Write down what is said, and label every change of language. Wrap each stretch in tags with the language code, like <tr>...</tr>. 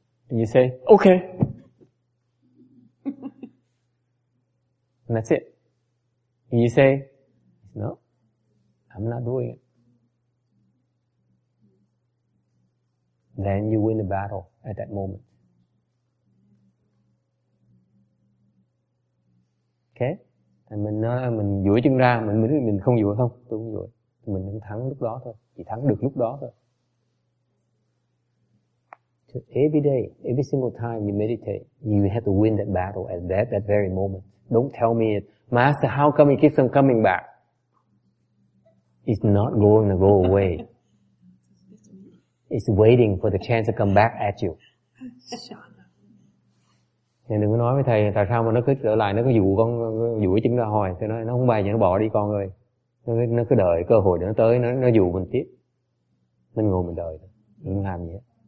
<en>And you say, okay. And that's it. And you say, no, I'm not doing it. Then you win the battle at that moment. Okay.</en> <vi>Mình nói mình duỗi chân ra, mình không duỗi không, tôi không duỗi. Mình cũng thắng lúc đó thôi, chỉ thắng được lúc đó thôi.</vi> <en>So every day, every single time you meditate, you have to win that battle at that very moment. Don't tell me, Master, how come it keeps on coming back? It's not going to go away. It's waiting for the chance to come back at you.</en> <vi>Thì đừng có nói với thầy tại sao mà nó cứ trở lại, nó cứ dụ con, dụ cái chứng ra hồi. Thì nó không bay, nó bỏ đi con ơi. Nó cứ đợi cơ hội để nó tới, nó dụ mình tiếp. Mình ngồi mình đợi, mình làm gì hết.</vi>